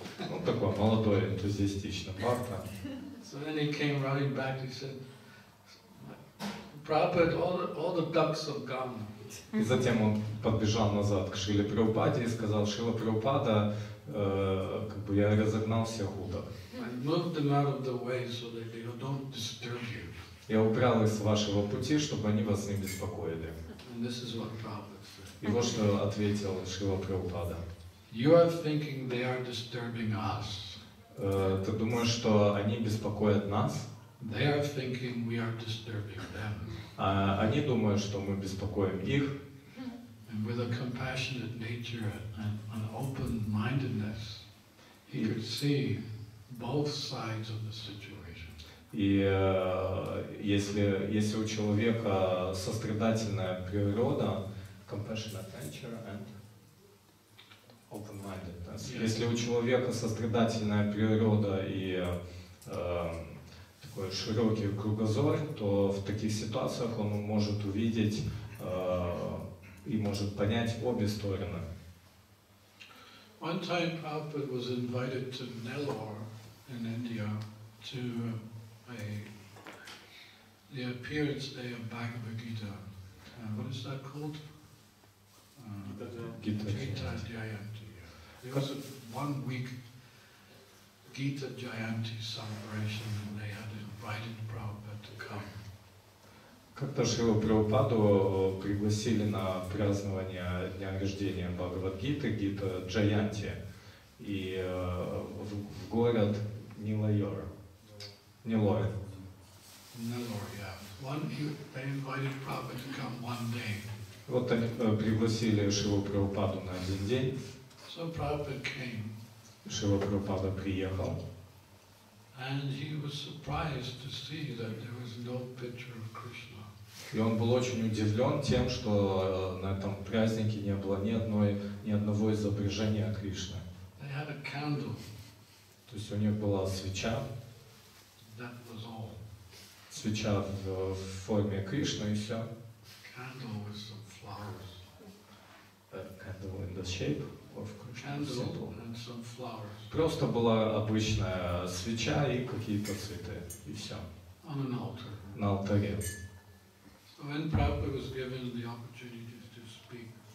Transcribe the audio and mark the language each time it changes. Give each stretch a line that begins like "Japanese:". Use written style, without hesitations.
Russian: Ну, такой молодой, энтузиастичный Бхакта.
English: So then he came running back, he said, Prabhupada, all the ducks have gone.
Russian: И затем он подбежал назад к Шриле Прабхупаде и сказал, Шрила Прабхупада, как бы я разогнал всех уток.
English: I moved them out of the way so that they don't disturb you.
Russian: Я убрал их с вашего пути, чтобы они вас не беспокоили.
English: And this is what Prabhupada said.
Russian: И вот что ответил Шрила Прабхупада.
English: You are thinking they are disturbing us.
Russian: Ты думаешь, что они беспокоят нас?
English: They are thinking we are disturbing them.
Russian: Они думают, что мы беспокоим их.
English: And with a compassionate nature and an open-mindedness, he could see both sides of the situation.
Russian: И если у человека сострадательная природа,
English: compassionate nature and open-mindedness. Yes.
Russian: Если у человека сострадательная природа и такой широкий кругозор, то в таких ситуациях он может увидеть и может понять обе стороны.
English: One time Prabhupada was invited to Nellore in India to the appearance day of Bhagavad Gita. What is that called? Gita Jayanti. It was a one-week Gita Jayanti celebration, and they had invited Prabhupada to come.
Russian: Как-то Шрилу Прабхупаду пригласили на празднование дня рождения Бхагавад-гиты, Гита Джаянти, и в город Нилайор. Нилор.
English: Нилор, yeah. They invited Prabhupada to come one day.
Russian: Вот они пригласили Шрилу Прабхупаду на один день.
English: So Prabhupada came.
Russian: Шрила Прабхупада приехал.
English: And he was surprised to see that there was no picture of Krishna.
Russian: И он был очень удивлен тем, что на этом празднике не было ни одного изображения Кришны.
English: They had a candle.
Russian: То есть у них была свеча.
English: That was all.
Russian: Свеча в форме Кришны и все.
English: Candle with some flowers. A candle in the shape. Candle and some flowers.
Russian: Просто была обычная свеча и какие-то цветы и все.
English: On an altar.
Russian: На алтаре.
English: So when Prabhupada was given the opportunity to speak.